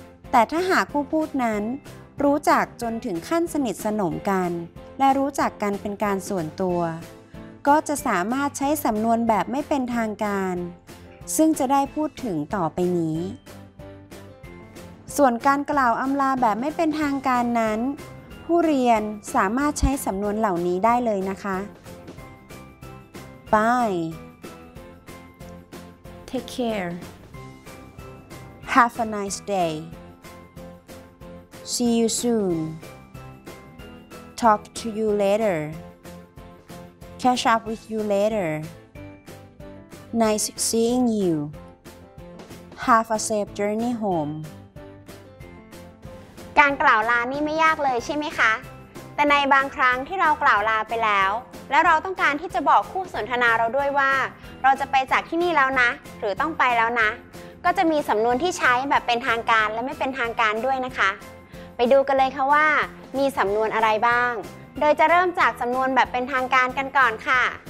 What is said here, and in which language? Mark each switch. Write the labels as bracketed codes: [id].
[th] แต่ถ้าหากผู้พูดนั้นรู้จักจนถึงขั้นสนิทสนมกันและรู้จักกันเป็นการส่วนตัวก็จะสามารถใช้สำนวนแบบไม่เป็นทางการซึ่งจะได้พูดถึงต่อไปนี้ส่วนการกล่าวอำลาแบบไม่เป็นทางการนั้นผู้เรียนสามารถใช้สำนวนเหล่านี้ได้เลยนะคะ [en] Bye Take care Have a nice day See you soon Talk to you later Catch up with you later Nice seeing you Have a safe journey home [th] การกล่าวลานี่ไม่ยากเลยใช่ไหมคะแต่ในบางครั้งที่เรากล่าวลาไปแล้วแล้วเราต้องการที่จะบอกคู่สนทนาเราด้วยว่าเราจะไปจากที่นี่แล้วนะหรือต้องไปแล้วนะก็จะมีสำนวนที่ใช้แบบเป็นทางการและไม่เป็นทางการด้วยนะคะไปดูกันเลยค่ะว่ามีสำนวนอะไรบ้างโดยจะเริ่มจากสำนวนแบบเป็นทางการกันก่อนค่ะ